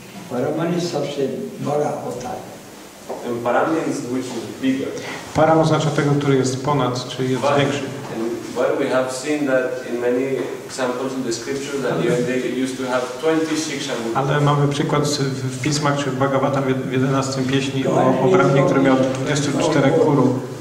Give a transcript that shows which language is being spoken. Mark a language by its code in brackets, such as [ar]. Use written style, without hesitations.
[hi] Param is सबसे बड़ा होता है. [en] And param means which is bigger. [pl] Param oznacza tego, który jest ponad, czyli jest większy. [en] But we have seen that in many examples in the scriptures that they used to have 26 shikshas. [pl] Ale mamy przykład w pismach czy w Bhagavatam w 11 pieśni o bramie, który miał 24 kuru.